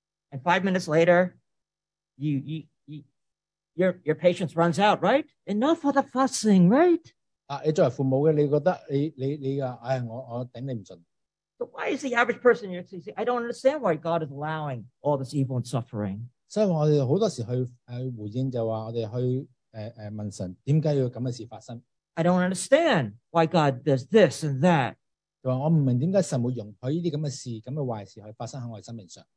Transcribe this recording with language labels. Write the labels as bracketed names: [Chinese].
[English] And 5 minutes later, your patience runs out, right? Enough of the fussing, right? [Cantonese] 啊，你作为父母嘅，你觉得你嘅，唉，我顶你唔顺。 [English] So why is the average person in your city? I don't understand why God is allowing all this evil and suffering. [Cantonese] 所以我哋好多时去回应就话我哋去问神点解要咁嘅事发生 [English] ？I don't understand why God does this and that. [Cantonese] 就话我唔明点解神会容许呢啲咁嘅事咁嘅坏事去发生喺我哋生命上